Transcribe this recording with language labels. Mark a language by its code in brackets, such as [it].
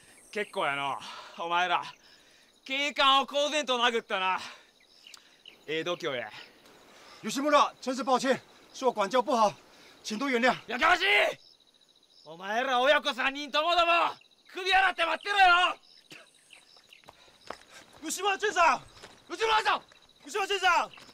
[ja] 結構やの、お前ら警官を公然と殴ったな。ええ度胸や。 [zh] Yoshimura、真是抱歉、是我管教不好、请多原谅。 [ja] やかましい！お前ら親子三人ともども、首洗って待ってろよ。 Yoshimura 巡査、 Yoshimura 巡査、Yoshimura 巡査。